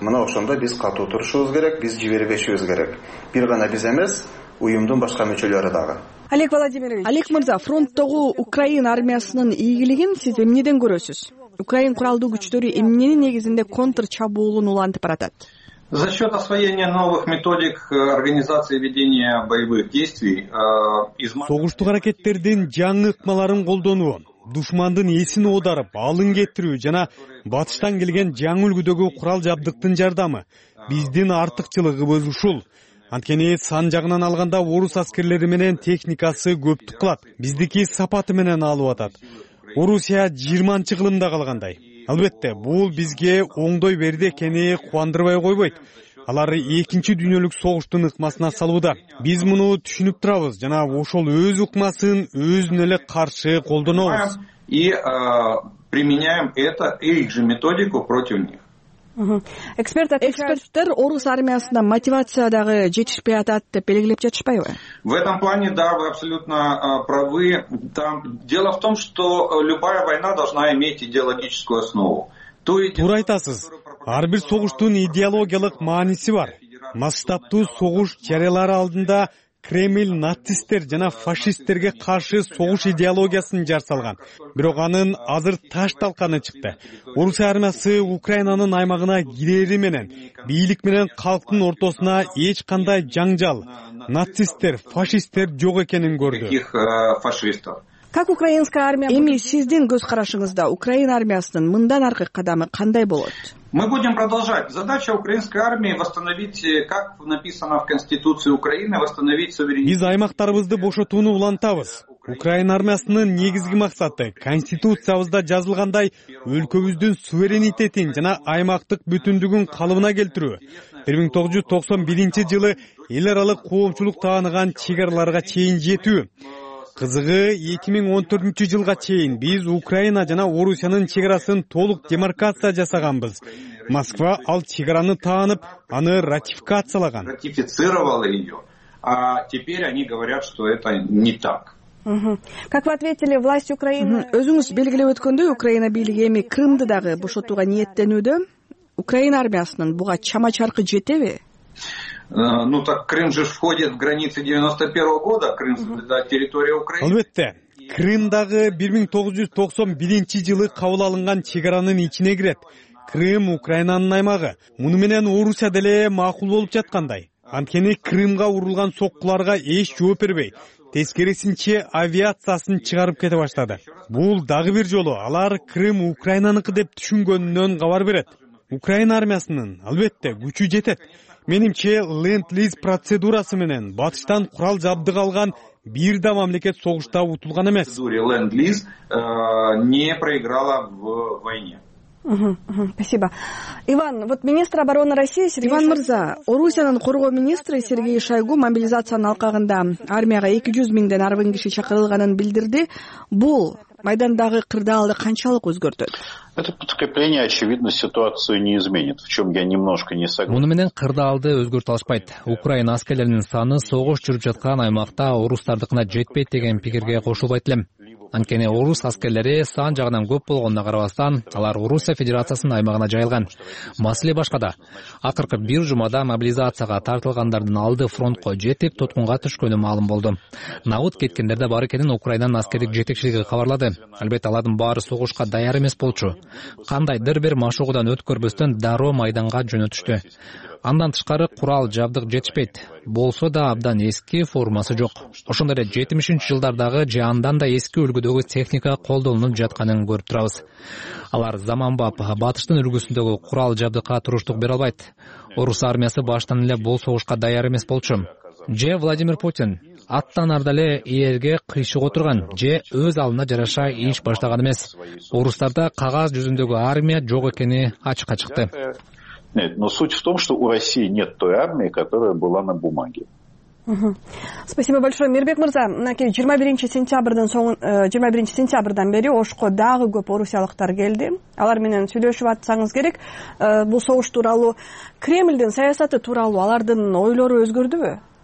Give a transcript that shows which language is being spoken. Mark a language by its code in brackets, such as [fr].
[ky] Мына ошондо биз катуу турушубуз керек, биз жибербешибиз керек. Бир гана биз эмес, уюмдун башка мүчөлөрү дагы. Олег Владимирович, Олег Мырза, фронттогу Украина армиясынын ийгилигин сиз эмнеден көрөсүз? Украин куралдуу күчтөрү эмненин негизинде контр чабуулун улантып баратат? [ru] За счет освоения новых методик организации ведения боевых действий [ky] согуштук аракеттердин жаңы ыкмаларын колдонуу, душмандын эсин оодарып алын кетирүү жана батыштан келген жаңы үлгүдөгү курал жабдыктын жардамы биздин артыкчылыгыбыз ушул. Анткени сан жагынан алганда орус аскерлери менен техникасы көптүк кылат, биздики сапаты менен алып атат. Орусия 20-нчы кылымда калгандай. Албетте, бул бизге оңдой берди экени кубандырбай койбойт. Алар экинчи дүйнөлүк согуштун ыкмасына салууда. Биз муну түшүнүп турабыз жана ошол өз ыкмасын өзүнө эле каршы колдонобуз. [ru] И применяем это их же методику против них. [ky] Эксперттер орус армиясында мотивация дагы жетишпей атат деп белгилеп жатышпайбы? [ru] В этом плане да, вы абсолютно правы. Там дело в том, что любая война должна иметь идеологическую основу. [ky] Туура айтасыз. Ар бир согуштун идеологиялык мааниси бар. Масштабтуу согуш жарыялары алдында Кремль нацисттер жана фашисттерге каршы согуш идеологиясын жар салган. Бирок анын азыр таш талканы чыкты. Орус армиясы Украинанын аймагына кирери менен бийлик менен калктын ортосуна эч кандай жаңжал, нацисттер, фашисттер жок экенин көрдү. [ru] Как украинская армия? [ky] Эми сиздин көз карашыңызда Украина армиясынын мындан аркы кадамы кандай болот? [ru] Мы будем продолжать. Задача украинской армии восстановить, как написано в Конституции Украины, восстановить суверенитет. [ky] Биз аймактарыбызды бошотууну улантабыз. Украина армиясынын негизги максаты конституциябызда жазылгандай өлкөбүздүн суверенитетин жана аймактык бүтүндүгүн калыбына келтирүү. 1991 жылы эл аралык коомчулук тааныган чек араларга чейин жетүү. Кызыгы 2014 жылга чейин биз Украина жана Орусиянын чек арасын толук демаркация жасаганбыз. Москва ал чек араны таанып, аны ратификациялаган. [ru] Ратифицировала её. А теперь они говорят, что это не так. Как вы ответили, власть Украины? [ky] Өзүңүз белгилеп өткөндөй, Украина бийлиги эми Крымды дагы бошотууга ниеттенүүдө. Украина армиясынын буга чама чаркы жетеби? [ru] Ну так Крым же входит в границы 91 года, Крым да, территория Украины. [ky] Албетте. Крымдагы 1991 жылы кабыл алынган чек аранын ичине кирет. Крым Украинанын аймагы. Муну менен Орусия деле макул болуп жаткандай. Анткени Крымга урулган соккуларга эч жооп бербей, тескерисинче авиациясын чыгарып кете баштады. Бул дагы бир жолу алар Крым Украинаныкы деп түшүнгөнүнөн кабар берет. Украина армиясынын албетте күчү жетет. Менимче ленд-лиз процедурасы менен батыштан курал жабдык алган бир да мамлекет согушта утулган эмес. [ru] Ленд-лиз не проиграла в войне. Спасибо. Иван, вот министр обороны России Сергей [ky] Иван Мырза, Орусиянын коргоо министри Сергей Шойгу мобилизациянын алкагында армияга 200 миңден арбын киши чакырылганын билдирди. Бул майдандагы кырдаалды канчалык өзгөртөт? [ru] Это подкрепление, очевидно, ситуацию не изменит. В чем я немножко не согласен. [ky] Муну менен кырдаалды өзгөртө алышпайт. Украина аскерлеринин саны согуш жүрүп жаткан аймакта орустардыкына жетпейт деген пикирге кошулбайт элем. Анткени орус аскерлери сан жагынан көп болгонуна карабастан, алар Орусия Федерациясынын аймагына жайылган. Маселе башкада. Акыркы бир жумада мобилизацияга тартылгандардын алды фронтко жетип, туткунга түшкөнү маалым болду. Наут кеткендер да бар экенин Украинанын аскердик жетекчилиги кабарлады. Албетте, алардын баары согушка даяр эмес болчу. Кандайдыр бир машыгуудан өткөрбөстөн дароо майданга жөнөтүштү. Андан тышкары курал жабдык жетишпейт. Болсо да абдан эски формасы жок. Ошондой эле 70-жылдардагы же андан да эски үлгүдөгү техника колдонулуп жатканын көрүп турабыз. Алар заманбап батыштын үлгүсүндөгү курал жабдыкка туруштук бере албайт. Орус армиясы баштан эле бул согушка даяр эмес болчу. Же Владимир Путин аттан арда эле ээрге кыйшык отурган же өз алдына жараша иш баштаган эмес. Орустарда кагаз жүзүндөгү армия жок экени ачыкка чыкты. [ru] Нет, но суть в том, что у России нет той армии, которая была на бумаге. Спасибо большое. [ky] Мирбек Мырза, 21 сентябрдан бери Ошко дагы көп орусиялыктар келди. Алар менен сүйлөшүп атсаңыз керек. Бул согуш тууралуу, Кремлдин саясаты тууралуу алардын ойлору өзгөрдүбү?